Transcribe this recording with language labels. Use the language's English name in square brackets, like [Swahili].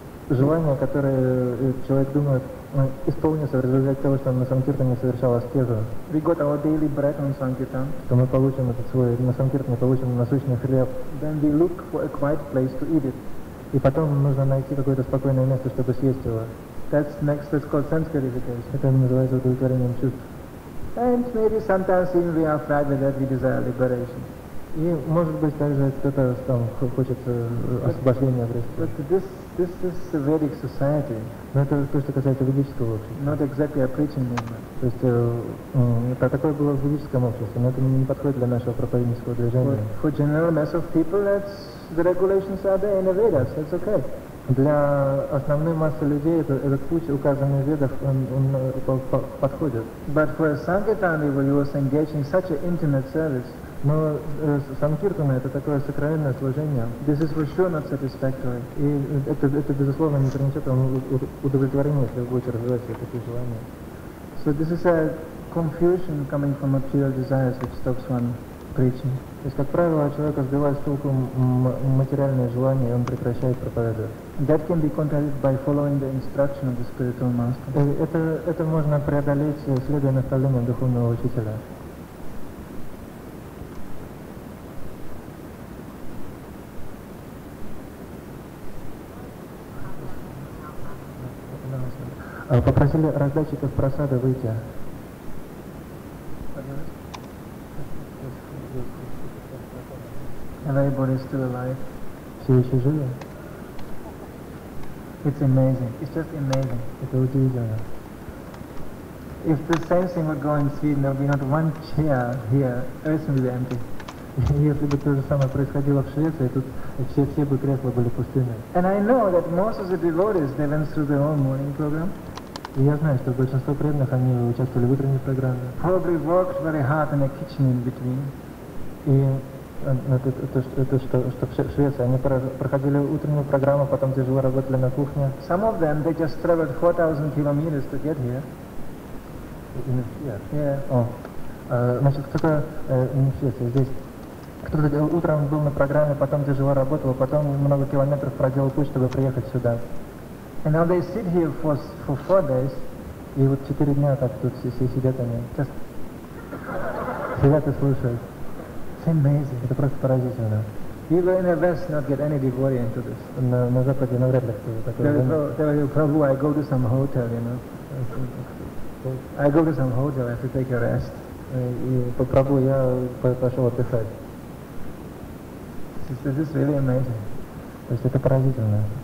[Russian] Желание, которое человек думает, исполнится в результате того, что он на санкиртане совершал аскезу. [English] We got our daily bread on sankirtan. [Russian] То мы получим этот свой, на санкиртане получим насущный хлеб. [English] Then we look for a quiet place to eat it. [Russian] И потом нужно найти какое-то спокойное место, чтобы съесть его. [English] That's next, it's called sense gratification. [Russian] Это называется удовлетворением чувств. [English] And maybe sometimes even we are fragile that we desire liberation. [Russian] И, может быть, также кто-то там хочет освобождения обрести. [English] But this is a Vedic society. [Russian] Но это то, что касается ведического общества. [English] Not exactly a preaching movement. [Russian] То есть, такое было в ведическом обществе, но это не подходит для нашего проповедческого движения. [English] For general mass of people, that's the regulations are there in the Vedas, that's okay. [Russian] Для основной массы людей этот путь, указанный в Ведах, он подходит. [English] But for a Sankirtan devotee engaging such an intimate service, [Russian] но санкиртана это такое сокровенное служение. [English] This is for sure not satisfactory. [Russian] И это безусловно не принесет вам удовлетворения, если вы будете развивать все такие желания. [English] So this is a confusion coming from material desires which stops one preaching. [Russian] То есть, как правило, человек сбивает с толку материальные желания, и он прекращает проповедовать. [English] That can be contradicted by following the instruction of the spiritual master. [Russian] Это можно преодолеть, следуя наставлениям духовного учителя. Попросили раздатчиков просады выйти. [English] Everybody is still alive. [Russian] Все еще живы? [English] It's amazing. It's just amazing. [Russian] Это удивительно. [English] If the same thing would go in Sweden, there would be not one chair here. Everything would be empty. [Russian] Если бы то же самое происходило в Швеции, тут все бы кресла были пустыми. [English] And I know that most of the devotees, they went through their own morning program. [Russian] И я знаю, что большинство преданных, они участвовали в утренней программе. [English] Probably worked very hard in a kitchen in between. [Russian] И что в Швеции. Они проходили утреннюю программу, потом тяжело работали на кухне. [English] Some of them, they just traveled 4,000 kilometers to get here. In here? Yeah. Oh. [Russian] Значит, кто-то в Швеции здесь. Кто-то утром был на программе, потом тяжело работал, потом много километров проделал путь, чтобы приехать сюда. [English] And now they sit here for 4 days. [Russian] И вот 4 дня так тут все сидят они. [English] Just... [Russian] Сидят и слушают. [English] It's amazing. [Russian] Это просто поразительно. [English] Even in the West, not get any devotee into this. [Russian] На Западе навряд ли кто-то такой. [English] There is Prabhu, I go to some hotel, you know. I go to some hotel, I have to take a rest. [Russian] И по Прабу я пошел отдыхать. [English] This is really amazing. [Russian] То есть это поразительно.